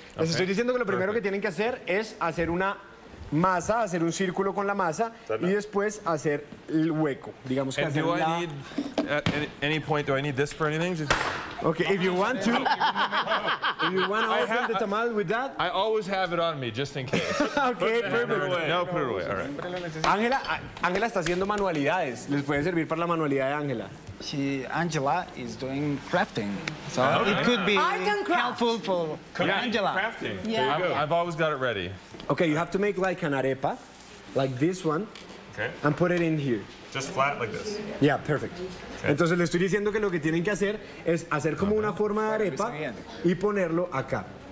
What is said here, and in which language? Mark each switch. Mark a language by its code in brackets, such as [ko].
[es] Les estoy diciendo que lo primero que tienen que hacer es hacer una masa, hacer un círculo con la masa y después hacer el hueco, digamos que hacer la. [en] At any point, do I need this for anything? Just... Okay, if you want to. If you want to open the tamal with that. I always have it on me, just in case. Okay, put it away. No, put it away, all right. [es] Angela está haciendo manualidades. ¿Les puede servir para la manualidad de Angela? [en] She, Angela is doing crafting. So okay. It could be helpful for Angela. Crafting, yeah. There you go. I've always got it ready. Okay, you have to make like an arepa, like this one, okay, and put it in here. Just flat like this. Yeah, perfect. Okay. [es] Entonces le estoy diciendo que lo que tienen que hacer es hacer como una forma de arepa y ponerlo acá.